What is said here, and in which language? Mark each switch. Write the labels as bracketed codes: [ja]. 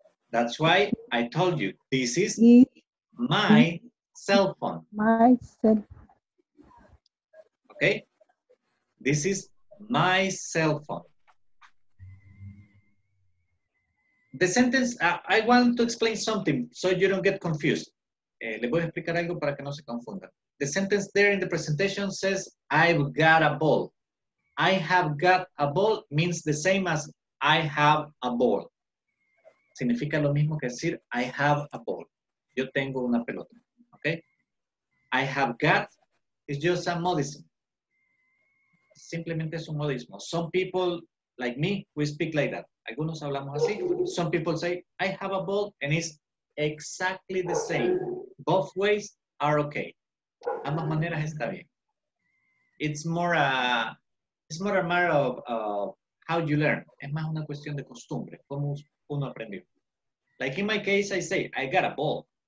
[en] That's why I told you this is my cell phone. My cell. Okay. This is my cell phone. The sentence, I want to explain something so you don't get confused. [es] Le voy a explicar algo para que no se confunda. [en] The sentence there in the presentation says, I've got a ball. I have got a ball means the same as I have a ball. [es] Significa lo mismo que decir, [en] I have a ball. [es] Yo tengo una pelota, okay? [en] I have got is just a modism. [es] Simplemente es un modismo. [en] Some people, like me, we speak like that. [es] Algunos hablamos así. [en] Some people say, I have a ball, and it's exactly the same. Both ways are okay. [es] Ambas maneras está bien. [en] It's more a matter of how you learn. [es] Es más una cuestión de costumbre, como uno aprendió. [en] Like in my case, I say, I got a ball.